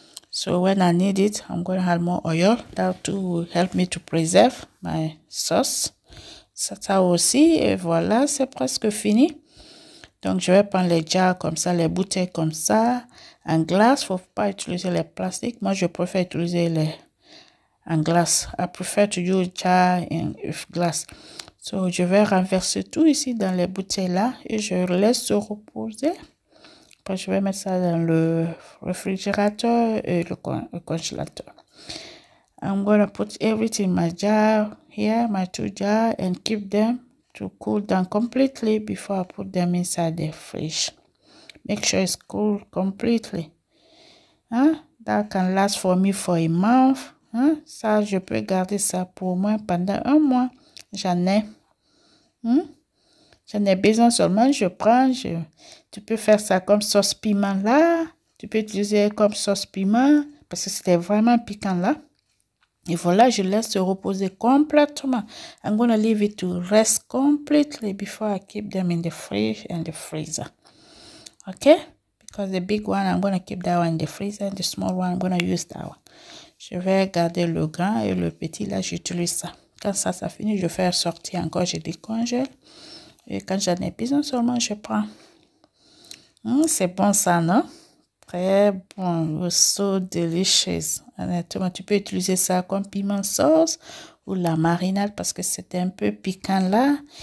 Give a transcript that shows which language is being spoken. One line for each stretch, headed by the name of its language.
English: So, when I need it, I'm going to add more oil. That too will help me to preserve my sauce.
French: Ça aussi. Et voilà, c'est presque fini. Donc, je vais prendre les jars comme ça, les bouteilles comme ça, en glace. Faut pas utiliser les plastiques. Moi, je préfère utiliser les en glace.
English: I prefer to do chai in glass.
French: So, je vais renverser tout ici dans les bouteilles là et je laisse se reposer. Après, je vais mettre ça dans le réfrigérateur et le congélateur.
English: I'm going to put everything in my jar here, my two jars, and keep them to cool down completely before I put them inside the fridge. Make sure it's cool completely. Hein? That can last for me for a month. Hein?
French: Ça, je peux garder ça pour moi pendant un mois. J'en ai. Hein? J'en ai besoin seulement. Je prends. Tu peux faire ça comme sauce piment là. Tu peux utiliser comme sauce piment parce que c'était vraiment piquant là. Et voilà, je laisse se reposer complètement.
English: I'm going to leave it to rest completely before I keep them in the fridge and the freezer. Okay? Because the big one, I'm going to keep that one in the freezer. And the small one, I'm going to use that one.
French: Je vais garder le grand et le petit. Là, j'utilise ça. Quand ça finit, je fais sortir encore. Je décongèle. Et quand j'en ai besoin seulement, je prends. C'est bon ça, non? Très bon,
English: so delicious.
French: Honnêtement, tu peux utiliser ça comme piment sauce ou la marinade parce que c'est un peu piquant là.